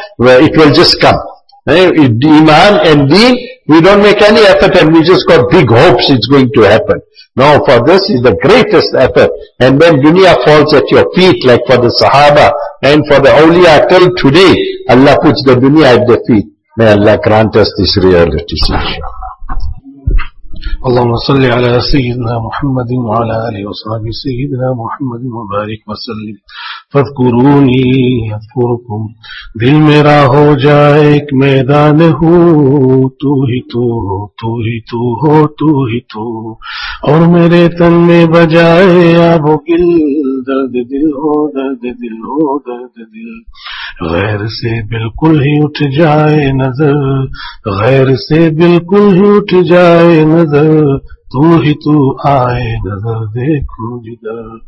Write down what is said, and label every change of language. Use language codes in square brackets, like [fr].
[en] Well, it will just come. Iman and deen, we don't make any effort and we just got big hopes it's going to happen. No, for this is the greatest effort. And when dunya falls at your feet, like for the Sahaba and for the awliya, till today, Allah puts the dunya at their feet. May Allah grant us this reality, inshaAllah. [ar] اللهم صل على سيدنا محمد وعلى آله وصحبه سيدنا محمد وبارك وسلم. فاذكروني اذكركم [ur] دل میرا ہو جائے ایک میدان ہو تو ہی تو ہو تو ہی تو ہو تو ہی تو اور میرے تن میں بجائے آب و گل درد دل ہو درد دل ہو درد دل غیر سے بالکل ہی اٹھ جائے نظر غیر سے بالکل ہی اٹھ جائے نظر تو ہی تو آئے نظر دیکھو جدر